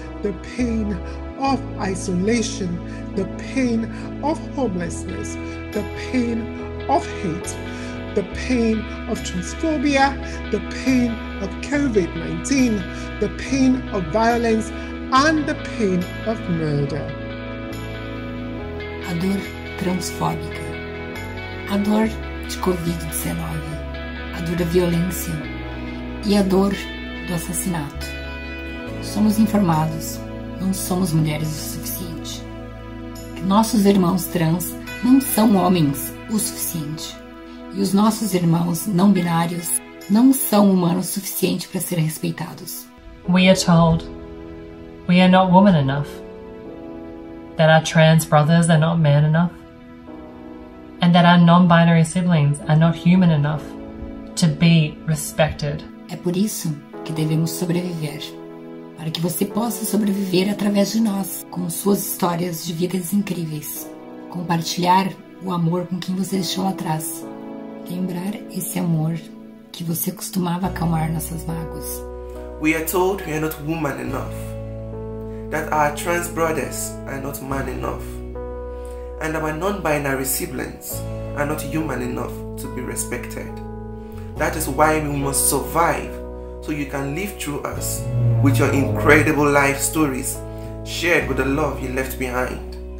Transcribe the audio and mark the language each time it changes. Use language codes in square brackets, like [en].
[en] The pain of isolation. The pain of homelessness. The pain of hate. The pain of transphobia, the pain of COVID-19, the pain of violence, and the pain of murder. [pt] A dor transfóbica, a dor de COVID-19, a dor da violência e a dor do assassinato. Somos informados, não somos mulheres o suficiente. Nossos irmãos trans não são homens o suficiente. E os nossos irmãos não binários não são humanos o suficiente para serem respeitados. [en] We are told we are not woman enough, that our trans brothers are not man enough, and that our non-binary siblings are not human enough to be respected. [pt] É por isso que devemos sobreviver, para que você possa sobreviver através de nós, com suas histórias de vidas incríveis, compartilhar o amor com quem você deixou atrás. Lembrar esse amor que você costumava acalmar nossas mágoas. [en] We are told we are not woman enough, that our trans brothers are not man enough, and our non-binary siblings are not human enough to be respected. That is why we must survive, so you can live through us with your incredible life stories shared with the love you left behind.